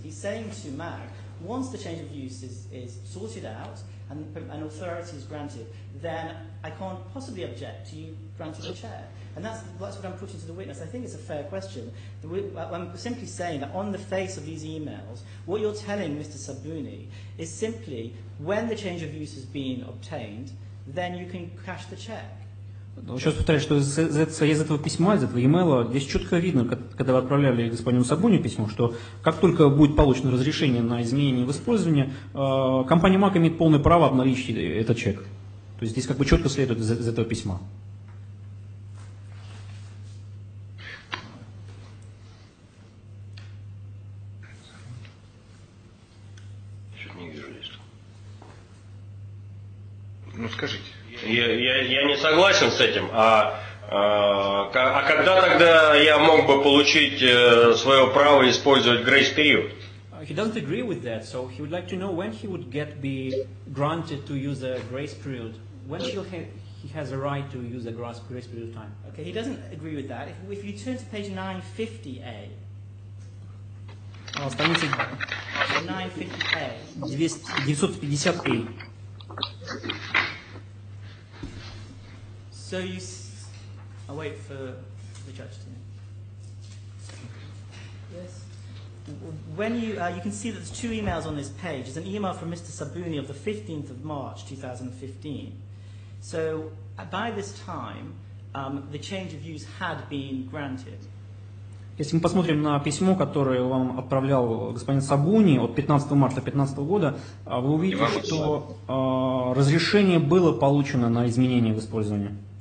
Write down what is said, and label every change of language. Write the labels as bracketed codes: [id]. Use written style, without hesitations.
[en] He's saying to Mag, once the change of use is sorted out and authority is granted, then I can't possibly object to you granting the chair. And that's what I'm putting to the witness. I think it's a fair question. I'm simply saying that on the face of these emails, what you're telling Mr. Sabuni is simply when the change of use has been obtained, then you can cash the check. [ru] Сейчас повторяю, что из этого письма, из этого имейла, здесь четко видно, когда вы отправляли господину Сабуни письмо, что как только будет получено разрешение на изменение в использовании, компания МАК имеет полное право обналичить этот чек. То есть здесь как бы четко следует из этого письма. Ну скажите. Я не согласен с этим. А когда тогда я мог бы получить свое право использовать grace period? [en] He doesn't agree with that, so he would like to know when he would get be granted to use a grace period. When he has a right to use a grace period of time? Okay, he doesn't agree with that. If you turn to page 950A. 950A. So you I wait for the judge to know. Yes. When you you can see that there's two emails on this page. There's an email from Mr. Sabuni of the 15th of March 2015. So by this time, the change of use had been granted. [ru] Если мы посмотрим на письмо, которое вам отправлял господин Сабуни от 15 марта 2015 года, вы увидите, что разрешение было получено на изменение в использовании.